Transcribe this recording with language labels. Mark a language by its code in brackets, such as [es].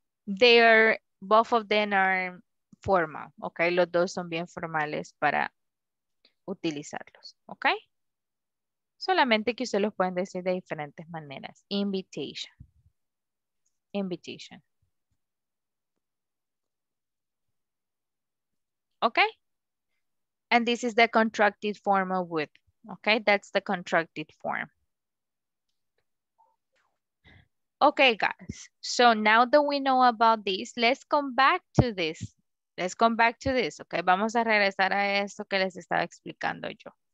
[en] They are, both of them are formal, okay? [es] Los dos son bien formales para utilizarlos, okay? Solamente que ustedes los pueden decir de diferentes maneras. [en] Invitation. Invitation. Okay? And this is the contracted form of would. Okay, that's the contracted form. Okay, guys. So now that we know about this, let's come back to this. Let's come back to this, okay? [es] Vamos a regresar a esto que les estaba explicando yo.